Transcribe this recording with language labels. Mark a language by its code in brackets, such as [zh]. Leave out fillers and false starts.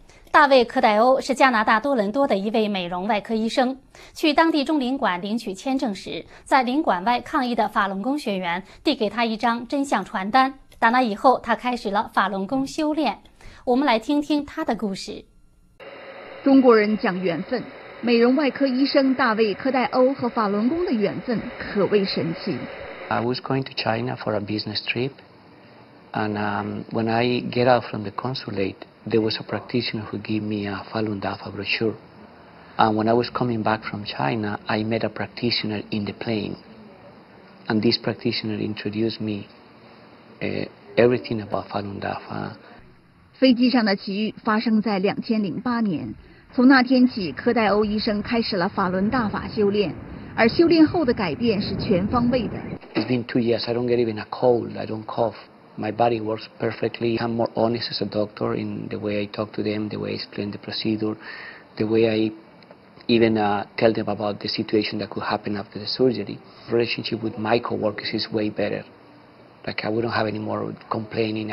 [zh] 大卫·科戴欧是加拿大多伦多的一位美容外科医生，去当地中领馆领取签证时，在领馆外抗议的法轮功学员递给他一张真相传单，打那以后他开始了法轮功修炼。我们来听听他的故事。中国人讲缘分，美容外科医生大卫·科戴欧和法轮功的缘分可谓神奇。 [en] I was going to China for a business trip, and when I get out from the consulate, there was a practitioner who gave me a Falun Dafa brochure. And when I was coming back from China, I met a practitioner in the plane, and this practitioner introduced me everything about Falun Dafa. [zh] 飞机上的奇遇发生在2008年，从那天起，科代欧医生开始了法轮大法修炼，而修炼后的改变是全方位的。 [en] It's been 2 years. I don't get even a cold. I don't cough. My body works perfectly. I'm more honest as a doctor in the way I talk to them, the way I explain the procedure, the way I even tell them about the situation that could happen after the surgery. Relationship with my coworkers is way better. Like I wouldn't have any more complaining.